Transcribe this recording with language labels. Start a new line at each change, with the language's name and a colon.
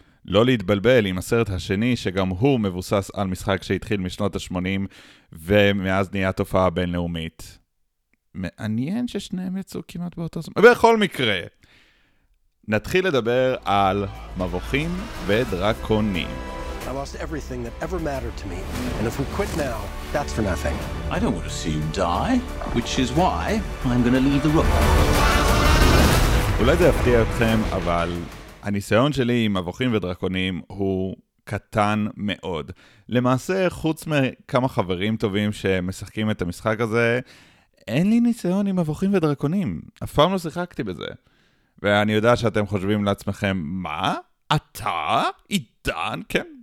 Hebrew: לא להתבלבל עם הסרט השני שגם הוא מבוסס על משחק שהתחיל משנות ה-80 ומאז נהיה תופעה בינלאומית. מעניין ששניהם יצאו כמעט באותו זמן. בכל מקרה, נתחיל לדבר על מבוכים ודרקונים.
English: I lost everything that ever mattered to me, and if we quit now, that's for nothing. I don't want to see you die, which is why I'm going to leave the room.
Hebrew: אולי זה יפתיע אתכם, אבל הניסיון שלי עם מבוכים ודרקונים הוא קטן מאוד. למעשה, חוץ מכמה חברים טובים שמשחקים את המשחק הזה, אין לי ניסיון עם מבוכים ודרקונים. אף פעם לא שיחקתי בזה. ואני יודע שאתם חושבים לעצמכם, מה? אתה? עידן? כן.